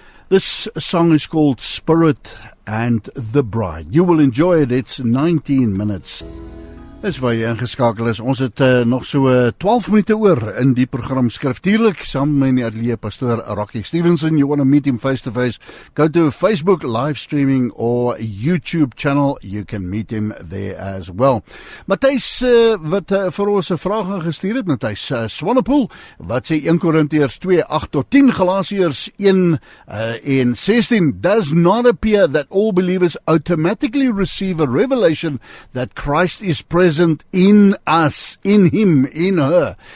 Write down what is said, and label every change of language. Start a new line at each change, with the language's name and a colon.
English: This song is called Spirit and the Bride. You will enjoy it, it's 19 minutes.
Afrikaans: Dis waar jy ingeskakel is, ons het nog so 12 minute oor in die program skriftuurlik, saam met my atelier pastoor Rocky Stevenson.
English: You want to meet him face to face, go to Facebook live streaming or YouTube channel, you can meet him there as well.
Afrikaans: Matthijs wat vir ons een vraag gestuur het, Matthijs Swanepoel, wat sê 1 Korintiërs 2, 8 tot 10, Galatiërs 1 en 16,
English: does not appear that all believers automatically receive a revelation that Christ is present in us, in him, in her.